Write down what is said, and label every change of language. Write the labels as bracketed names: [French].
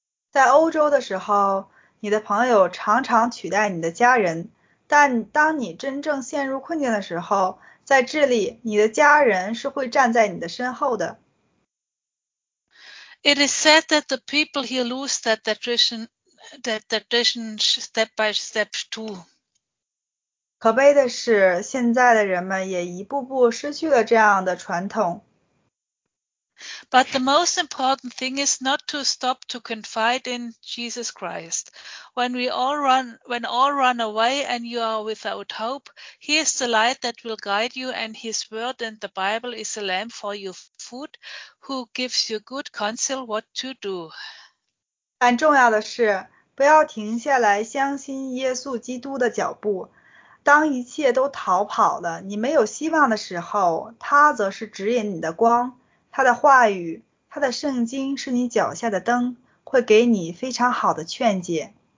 [Chinese] 在欧洲的时候，你的朋友常常取代你的家人，但当你真正陷入困境的时候，在智利，你的家人是会站在你的身后的。 [English] It is said that the people here lose that tradition step by step too. [Chinese] 可悲的是，现在的人们也一步步失去了这样的传统。 [English] But the most important thing is not to stop to confide in Jesus Christ. When all run away and you are without hope, He is the light that will guide you, and His word and the Bible is a lamp for your foot, who gives you good counsel what to do. [Chinese] 但重要的是，不要停下来相信耶稣基督的脚步。当一切都逃跑了，你没有希望的时候，他则是指引你的光。他的话语，他的圣经是你脚下的灯，会给你非常好的劝解。